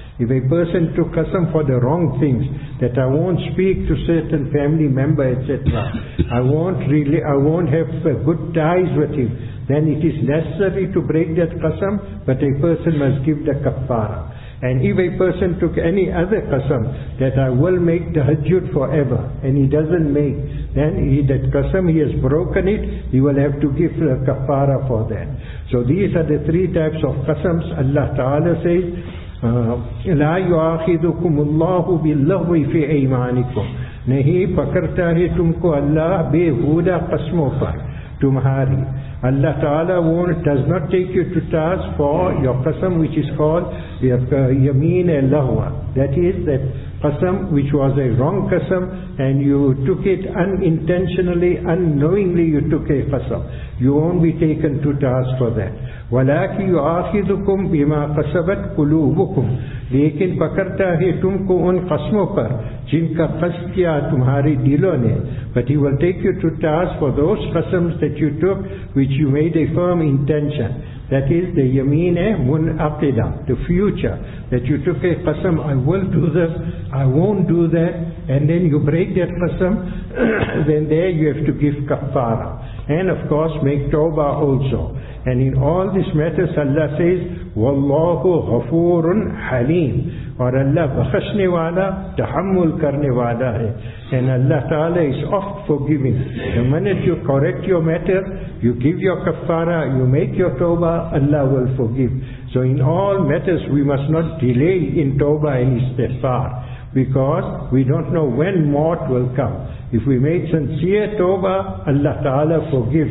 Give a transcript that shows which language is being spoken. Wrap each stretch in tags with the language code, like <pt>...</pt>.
<en>If a person took qasam for the wrong things, that I won't speak to certain family member, etc., I won't have good ties with him, then it is necessary to break that qasam, but a person must give the kafara. And if a person took any other qasam, that I will make the hajjud forever, and he doesn't make, then that qasam, he has broken it, he will have to give the kafara for that. So these are the three types of qasams. Allah Ta'ala says,</en> <ar>لا يؤاخذكم الله باللغو في ايمانكم.</ar> <ur>نہیں پکڑتا ہے تم کو اللہ بے ہودہ قسموں پر تمہاری.</ur> <en>Allah Ta'ala does not take you to task for your qasam, which is called yameen al-lahwa. That is that qasam which was a wrong qasam, and you took it unintentionally, unknowingly you took a qasam. You won't be taken to task for that.</en> <ar>وَلَاكِ يُعَاخِذُكُمْ بِمَا قَسَبَتْ قُلُوبُكُمْ.</ar> <ur>لیکن پکرتا ہے تم کو ان قسموں پر جن کا قصد کیا تمہاری دلوں نے.</ur> <en>But he will take you to task for those qasams that you took which you made a firm intention. That is the yameen-e mun'aqida, the future. That you took a qasam, I will do this, I won't do that. And then you break that qasam, then there you have to give kafara. And of course make tawbah also. And in all these matters Allah says,</en> <ar>وَاللَّهُ غَفُورٌ حَلِيمٌ.</ar> <ur>اور اللہ بخشنے والا تحمل کرنے والا ہے.</ur> <en>And Allah Ta'ala is oft forgiving. The minute you correct your matter, you give your kafara, you make your tawbah, Allah will forgive. So in all matters we must not delay in tawbah and istighfar, because we don't know when maut will come. If we make sincere tawbah, Allah Ta'ala forgives.</en>